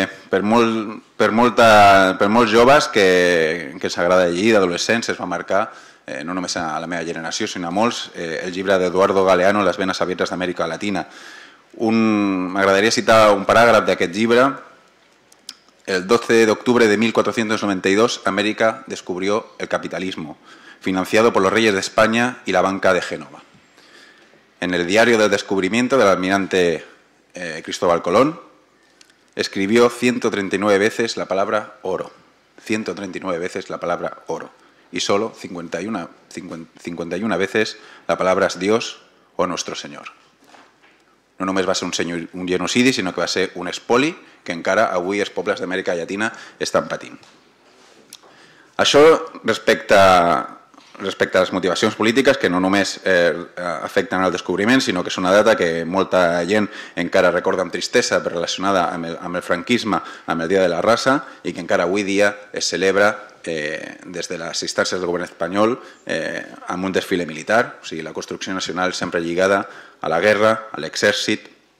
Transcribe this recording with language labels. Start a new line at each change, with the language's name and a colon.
Catalan: Per molts joves que ens agrada llegir, d'adolescents, es va marcar, no només a la meva generació, sinó a molts, el llibre d'Eduardo Galeano, Les venes abiertas d'Amèrica Latina. M'agradaria citar un paràgraf d'aquest llibre.
Spanish: El 12 d'octubre de 1492, Amèrica descubrió el capitalismo, financiado por los reyes de España y la banca de Génova. En el diario del descubrimiento del almirante Cristóbal Colón, escribió 139 veces la palabra oro, 139 veces la palabra oro, y solo 51 veces la palabra Dios o nuestro Señor.
Catalan: No només va ser un genocidi, sinó que va ser un espoli que encara avui els pobles d'Amèrica Llatina estan patint. Això respecte a les motivacions polítiques, que no només afecten el descobriment, sinó que és una data que molta gent encara recorda amb tristesa relacionada amb el franquisme, amb el Dia de la Raça, i que encara avui dia es celebra des de les instàncies del govern espanyol amb un desfile militar, o sigui, la construcció nacional sempre lligada a la guerra, a l'exèrcit.